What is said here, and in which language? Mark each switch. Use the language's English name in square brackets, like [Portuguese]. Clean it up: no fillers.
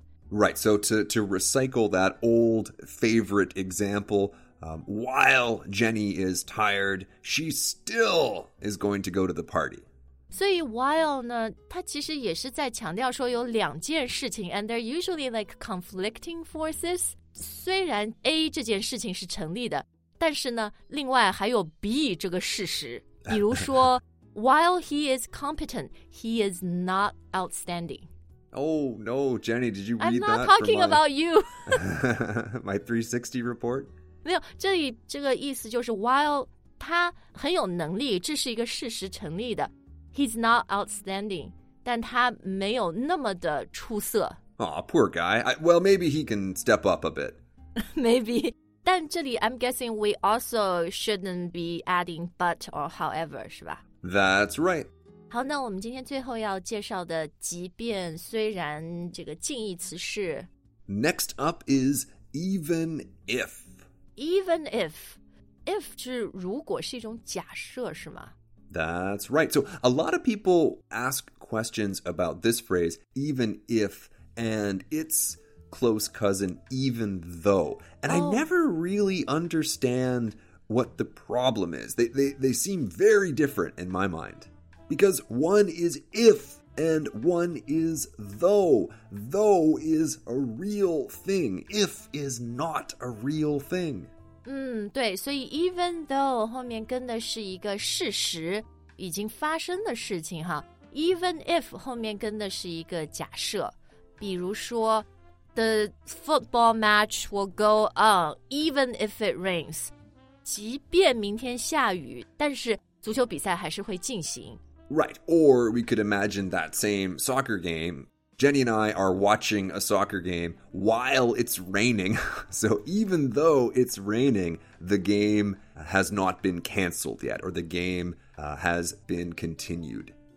[English] Right, so to recycle that old favorite example, while Jenny is tired, she still is going to go to the party. [Chinese] 所以 while 呢，它其实也是在强调说有两件事情 [English] and they're usually like conflicting forces. [Chinese] 虽然 A 这件事情是成立的，但是呢，另外还有 B 这个事实。比如说 [English] while he is competent, he is not outstanding. Oh, no, Jenny, did you read that? I'm not talking about you. My 360 report? [Chinese] 没有，这里这个意思就是 while 他很有能力，这是一个事实成立的。 [English] He's not outstanding, [Chinese] 但他没有那么的出色。 [English] Aw, poor guy. Well, maybe he can step up a bit. Maybe. [Chinese] 但这里 [English] I'm guessing we also shouldn't be adding but or however, [Chinese] 是吧? [English] That's right. [Chinese] 好，那我们今天最后要介绍的即便虽然这个近义词是 [English] Next up is even if. Even if. If 是如果是一种假设是吗? That's right. So a lot of people ask questions about this phrase, even if... And its close cousin, even though. And、oh. I never really understand what the problem is. They seem very different in my mind. Because one is if and one is though. Though is a real thing. If is not a real thing. [Chinese] 对，所以 even though 后面跟的是一个事实，已经发生的事情哈。 [English] Even if [Chinese] 后面跟的是一个假设。比如说 [English] the football match will go on even if it rains. [Chinese] 即便明天下雨，但是足球比赛还是会进行。 [English] Right, or we could imagine that same soccer game. Jenny and I are watching a soccer game while it's raining. So even though it's raining, the game has not been canceled yet, or the game has been continued.